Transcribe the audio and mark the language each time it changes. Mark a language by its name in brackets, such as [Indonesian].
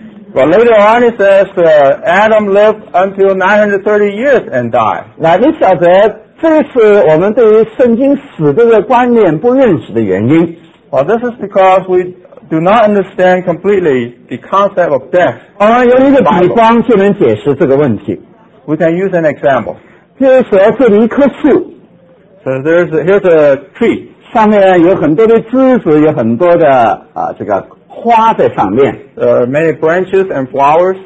[English] But later on it says Adam lived until 930 years and died. [Chinese] 那你晓得这是我们对于圣经死这个观念不认识的原因。 [English] Well, this is because we do not understand completely the concept of death. [Chinese] 有一个比方就能解释这个问题。 [English] We can use an example. [Chinese] 比如说这里一棵树。 [English] So here's a tree. [Chinese] 上面有很多的枝子，有很多的这个花在上面。 [English] Many branches and flowers.